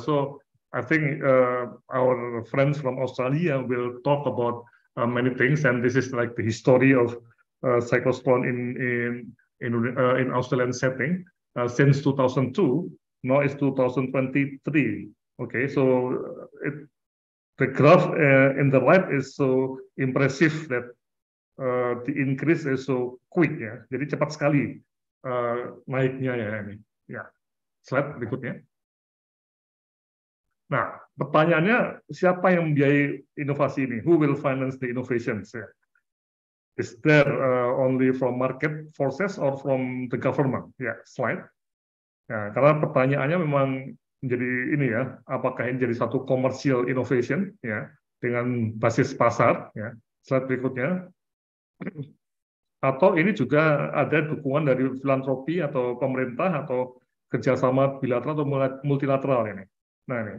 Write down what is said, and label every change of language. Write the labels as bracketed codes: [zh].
[en] So, I think our friends from Australia will talk about many things, and this is like the history of cyclotron in Australian setting since 2002. Now it's 2023. Okay, so the graph in the right is so impressive that the increase is so quick. [id] Ya, jadi cepat sekali naiknya ya ini. Ya, slide berikutnya. Nah, pertanyaannya siapa yang membiayai inovasi ini? [en] Who will finance the innovations? Is there only from market forces or from the government? Yeah, slide. [id] Nah, karena pertanyaannya memang menjadi ini ya, apakah ini jadi satu commercial innovation ya dengan basis pasar ya. Slide berikutnya. Atau ini juga ada dukungan dari filantropi atau pemerintah atau kerjasama bilateral atau multilateral ini. Nah, ini.